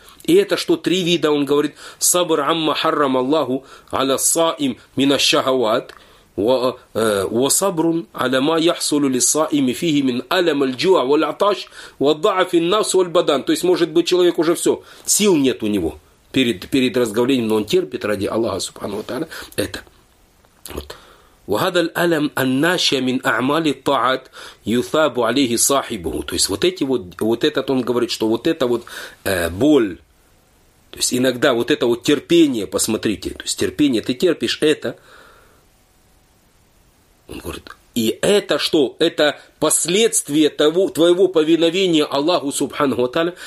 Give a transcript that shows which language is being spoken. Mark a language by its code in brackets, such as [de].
[ru] И это что, три вида, он говорит, [ar] сабр амма харрам Аллаху аля саим мина шахават, وصبرٌ على ما يحصل للصائم فيه من ألم الجوع والعطش والضعف النفس والبدن. [ru] То есть может быть человек уже все, сил нет у него перед разговлением, но он терпит ради Аллаха Субхану ва Тааля это. Вот. [ar] وهذا الألم الناشئ من أعمال الطاعات يثاب عليه صاحبه. [ru] То есть вот эти вот, вот этот он говорит, что вот это вот боль. То есть иногда вот это вот терпение, посмотрите, то есть терпение, ты терпишь это. Он говорит, и это что? Это последствия того, твоего повиновения Аллаху Субхану Таля.